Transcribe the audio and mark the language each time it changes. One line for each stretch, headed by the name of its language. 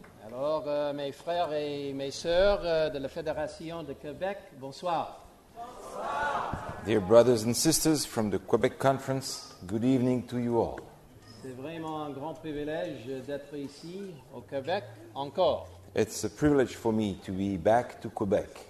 French: Bonsoir, mes frères et mes sœurs de la Fédération de Québec. Bonsoir.
English: Dear brothers and sisters from the Quebec Conference, good evening to you all.
French: C'est vraiment un grand privilège d'être ici au Québec encore.
English: It's a privilege for me to be back to Quebec.